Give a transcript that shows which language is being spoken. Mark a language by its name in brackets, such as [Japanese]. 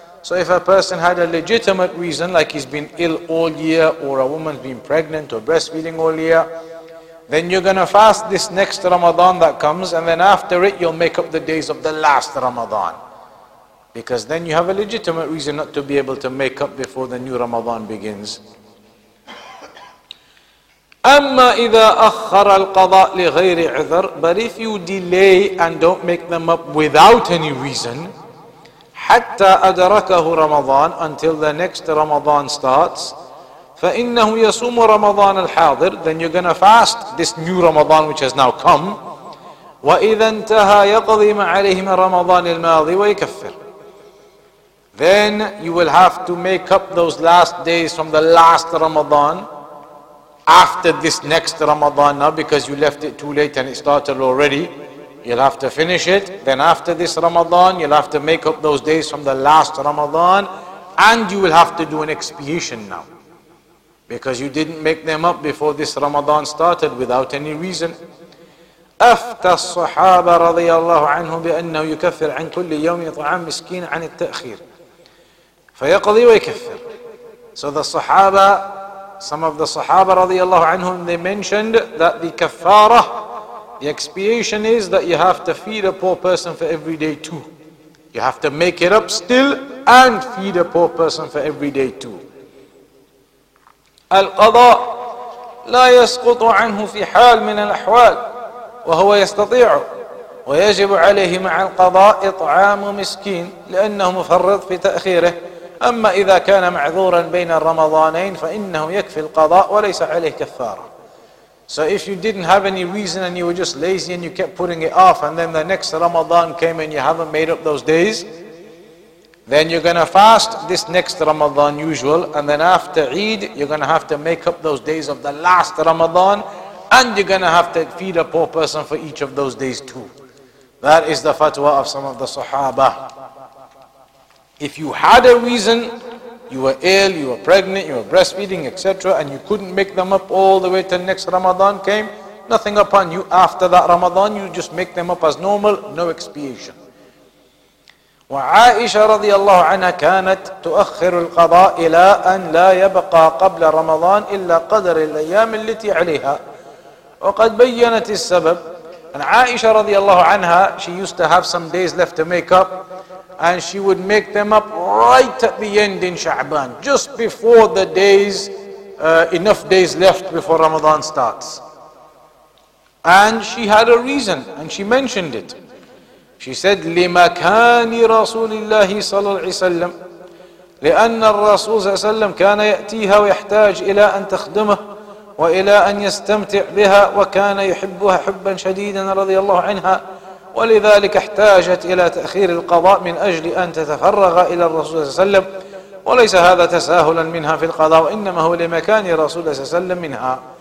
[English] So if a person had a legitimate reason, like he's been ill all year, or a woman's been pregnant or breastfeeding all year, then you're going to fast this next Ramadan that comes, and then after it you'll make up the days of the last Ramadan. Because then you have a legitimate reason not to be able to make up before the new Ramadan begins. [Arabic] أما إذا أخر القضاء لغير عذر. [English] But if you delay and don't make them up without any reason, [Arabic] حتى أدركه رمضان, [English] until the next Ramadan starts, ف [Arabic] فإنه يصوم رمضان الحاضر, [English] then you're gonna fast this new Ramadan which has now come. [Arabic] وإذا انتهى يقضي ما عليه من رمضان الماضي ويكفر. [English] Then you will have to make up those last days from the last Ramadan after this next Ramadan now, because you left it too late and it started already. You'll have to finish it. Then after this Ramadan, you'll have to make up those days from the last Ramadan, and you will have to do an expiation now, because you didn't make them up before this Ramadan started without any reason. [Arabic] أفتى الصحابة رضي الله عنهم بأنه يكفر عن كل يوم طعام مسكين عن التأخير فيقضي ويكفر. [English] So the Sahaba, some of the Sahaba رضي الله عنهم, they mentioned that the kafara, the expiation, is that you have to feed a poor person for every day too. You have to make it up still and feed a poor person for every day too. [Arabic] القضاء لا يسقط عنه في حال من الأحوال وهو يستطيع ويجب عليه مع القضاء إطعام مسكين لأنه مفرط في تأخيره. أما إذا كان معذورا بين الرمضانين فإنه يكفي القضاء وليس عليه كفارة. [English] So if you didn't have any reason and you were just lazy and you kept putting it off, and then the next Ramadan came and you haven't made up those days, then you're going to fast this next Ramadan usual, and then after Eid you're going to have to make up those days of the last Ramadan, and you're going to have to feed a poor person for each of those days too. That is the fatwa of some of the Sahaba. If you had a reason, you were ill, you were pregnant, you were breastfeeding, etc., and you couldn't make them up all the way till next Ramadan came, nothing upon you. After that Ramadan, you just make them up as normal, no expiation. [Arabic] وعائشة رضي الله عنها كانت تؤخر القضاء إلى أن لا يبقى قبل رمضان إلا قدر الأيام التي عليها وقد بينت السبب. [English] And Aisha رضي الله عنها, she used to have some days left to make up, and she would make them up right at the end in Sha'ban, just before the days, enough days left before Ramadan starts. And she had a reason, and she mentioned it. She said, [Arabic] لِمَكَانِ رَسُولِ اللَّهِ صَلَى اللَّهِ سَلَّمُ لِأَنَّ الرَّسُولَ صَلَى اللَّهِ سَلَّمُ كَانَ يَأْتِيهَا وَيَحْتَاجِ إِلَىٰ أَنْ تَخْدُمَهُ وَإِلَىٰ أَنْ يَسْتَمْتِعْ بِهَا وَكَانَ يُحِبُّهَا حُبًّا شَدِيدًا رضي الله عنها ولذلك احتاجت إلى تأخير القضاء من أجل أن تتفرغ إلى الرسول صلى الله عليه وسلم وليس هذا تساهلا منها في القضاء وإنما هو لمكان الرسول صلى الله عليه وسلم منها.